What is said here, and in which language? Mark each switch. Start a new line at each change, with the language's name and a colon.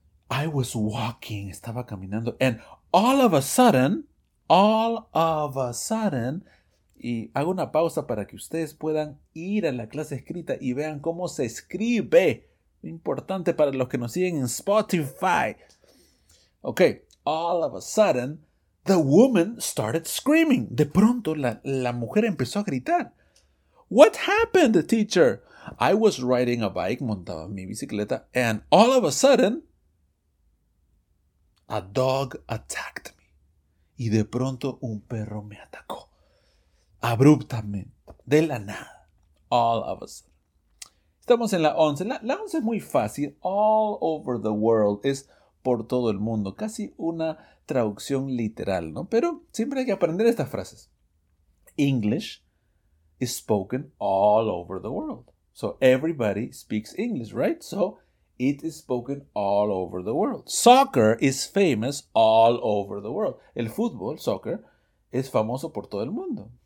English: I was walking.
Spanish: Estaba caminando.
English: And all of a sudden. All of a sudden.
Spanish: Y hago una pausa para que ustedes puedan ir a la clase escrita y vean cómo se escribe. Importante para los que nos siguen en Spotify.
English: Ok, all of a sudden, the woman started screaming.
Spanish: De pronto, la mujer empezó a gritar.
English: What happened, teacher? I was riding a bike,
Spanish: montaba mi bicicleta,
English: and all of a sudden, a dog attacked me.
Spanish: Y de pronto, un perro me atacó. Abruptamente, de la nada. All of a sudden. Estamos en la 11. La 11 es muy fácil. All over the world es por todo el mundo. Casi una traducción literal, ¿no? Pero siempre hay que aprender estas frases.
English: English is spoken all over the world. So everybody speaks English, right? So it is spoken all over the world. Soccer is famous all over the world.
Spanish: El fútbol, soccer, es famoso por todo el mundo.